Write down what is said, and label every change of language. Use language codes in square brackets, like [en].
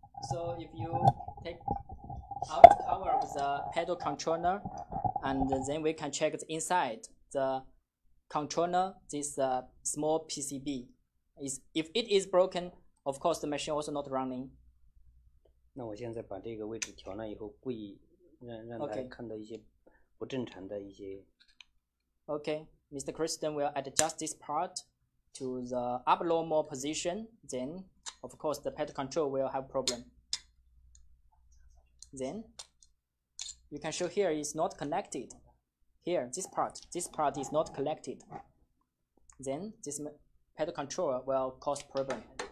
[en] So if you take out the cover of the pedal controller, and then we can check the inside the controller, this small PCB. If it is broken, of course the machine also not running. [zh] 那我现在把这个位置调了以后，故意让他看到一些不正常的一些。 [en] Okay, Mr. Kirsten will adjust this part to the abnormal position. Then, of course, the pad control will have problem. Then, you can show here is not connected. Here, this part is not connected. Then, this pad control will cause problem.